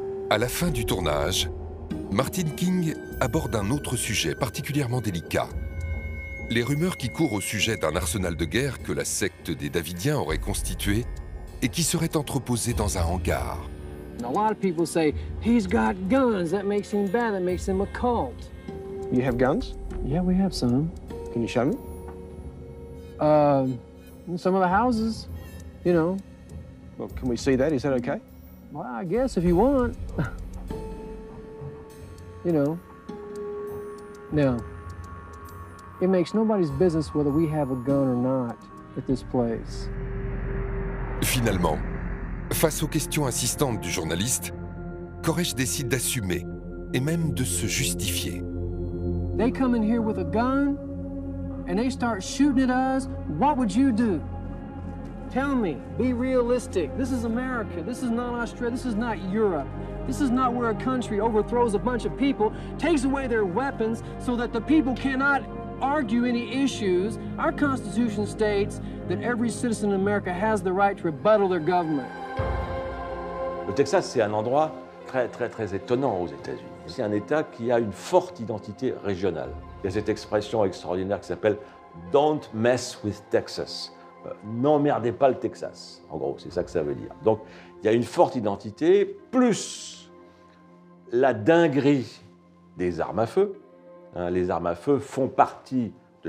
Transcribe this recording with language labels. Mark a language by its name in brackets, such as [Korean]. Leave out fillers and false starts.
[French] À la fin du tournage, Martin King aborde un autre sujet particulièrement délicat. Les rumeurs qui courent au sujet d'un arsenal de guerre que la secte des Davidiens aurait constitué et qui serait entreposé dans un hangar. [English] A lot of people say he's got guns, that makes him bad, that makes him a cult. You have guns? Yeah, we have some. Can you show me? In some of the houses, you know. Well, can we see that? Is that okay? Well, I guess if you want. You know. Now, it makes nobody's business whether we have a gun or not at this place. Finalement, face aux questions insistantes du journaliste, Koresh décide d'assumer et même de se justifier. They come in here with a gun and they start shooting at us. What would you do? Tell me, be realistic. This is America. This is not Australia. This is not Europe. This is not where a country overthrows a bunch of people, takes away their weapons so that the people cannot argue any issues. Our Constitution states that every citizen in America has the right to rebuttal their government. [French] Le Texas, c'est un endroit très, très, très étonnant aux États-Unis. C'est un État qui a une forte identité régionale. Il y a cette expression extraordinaire qui s'appelle « [English] Don't mess with Texas ». [French] N'emmerdez pas le Texas, en gros, c'est ça que ça veut dire. Donc, il y a une forte identité, plus la dinguerie des armes à feu. Les armes à feu font partie de